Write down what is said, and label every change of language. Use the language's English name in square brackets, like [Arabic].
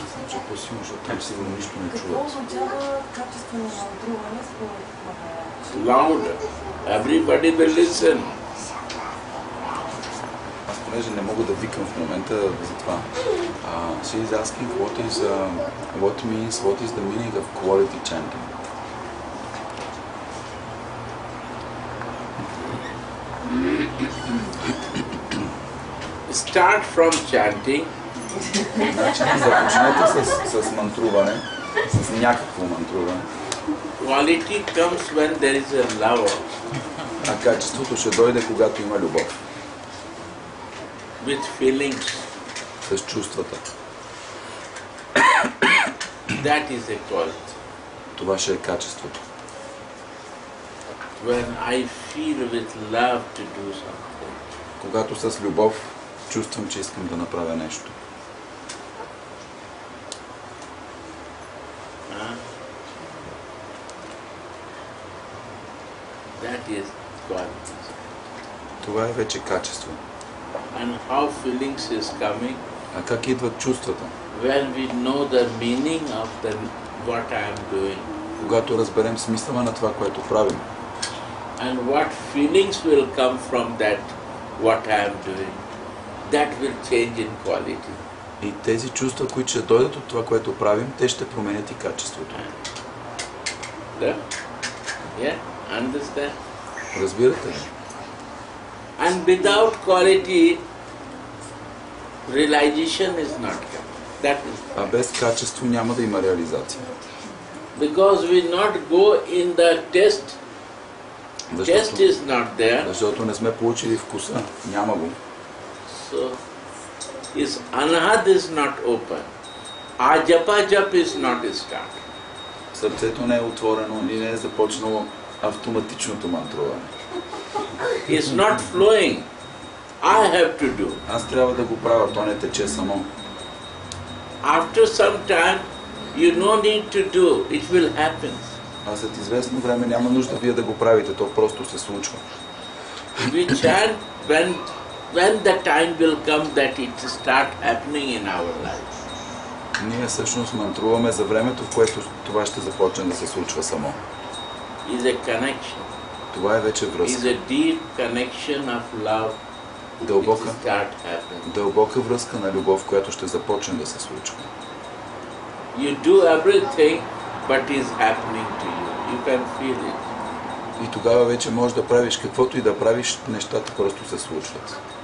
[Bulgarian] Че по-силно, защото там сигурно нищо не чуват. Какво означава качество на мантруване според [English] Махараджа? Louder. Everybody will listen. [Bulgarian] Аз понеже не мога да викам в момента за това. [English] She is asking what is, what means, what is the meaning of quality chanting? Start from chanting. [Bulgarian] Значи започнете с мантруване, с някакво мантруване. [English] Quality comes when there is a love. [Bulgarian] А качеството ще дойде, когато има любов. [English] With feelings. [Bulgarian] С чувствата. [English] That is a quality. [Bulgarian] Това ще е качеството. [English] When I feel with love to do something. [Bulgarian] Когато с любов чувствам, че искам да направя нещо. [English] That is quality. [Bulgarian] Това е вече качество. [English] And how feelings is coming? [Bulgarian] А как идват чувствата? [English] When we know the meaning of the what I am doing. [Bulgarian] Когато разберем смисъла на това, което правим. [English] And what feelings will come from that what I am doing. That will change in quality. [Bulgarian] И тези чувства, които ще дойдат от това, което правим, те ще променят и качеството. Да? [English] Yeah. Understand? [Bulgarian] Разбирате ли? [English] And without quality, realization is not coming. That is. [Bulgarian] А без качество няма да има реализация. [English] Because we not go in the test. Test is not there. [Bulgarian] Защото не сме получили вкуса, няма го. [English] So is anahat is not open. Ajapa jap is not start. [Bulgarian] Сърцето не е отворено и не е започнало автоматичното мантруване. [English] It's not flowing. I have to do. [Bulgarian] Аз трябва да го правя, то не тече само. [English] After some time, you no need to do. It will happen. [Bulgarian] А след известно време няма нужда вие да го правите, то просто се случва. [English] We chant when the time will come that it start happening in our life. [Bulgarian] Ние всъщност мантруваме за времето, в което това ще започне да се случва само. [English] Is a connection. [Bulgarian] Това е вече връзка. [English] Is a deep connection of love. [Bulgarian] Дълбока, дълбока връзка на любов, която ще започне да се случва. [English] You do everything, but is happening to you. You can feel it. [Bulgarian] И тогава вече можеш да правиш каквото и да правиш, нещата просто се случват.